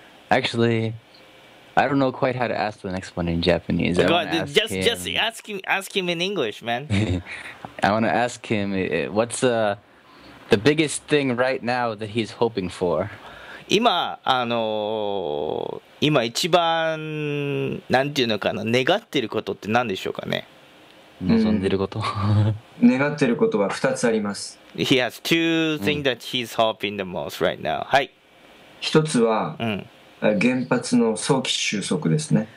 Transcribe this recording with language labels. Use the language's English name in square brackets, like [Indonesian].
[English] Actually, I don't know quite how to ask the next one in Japanese. Ask him in English, man. I want to ask him, what's the biggest thing right now that he's hoping for? [Japanese] 今一番、なんていうのかな、願ってることって何でしょうかね? 望んでること、うん、願ってることは2つあります。 [English] He has two things that he's hoping the most right now、 [Japanese] はい、 1つは、うん、原発の早期収束ですね。